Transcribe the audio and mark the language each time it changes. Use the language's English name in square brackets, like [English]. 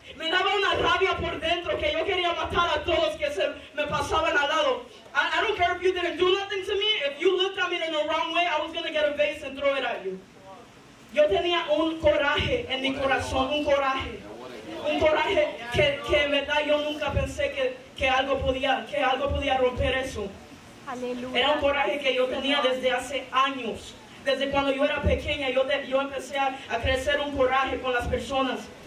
[Spanish] Me daba una rabia por dentro que yo quería matar a todos que se me pasaban al lado. [English] I don't care if you didn't do nothing to me. If you looked at me in the wrong way, I was going to get a vase and throw it at you. [Spanish] Yo tenía un coraje en mi corazón, un coraje. Un coraje que en verdad yo nunca pensé que algo podía romper eso. Aleluya. Era un coraje que yo tenía desde hace años. Desde cuando yo era pequeña, yo empecé a crecer un coraje con las personas.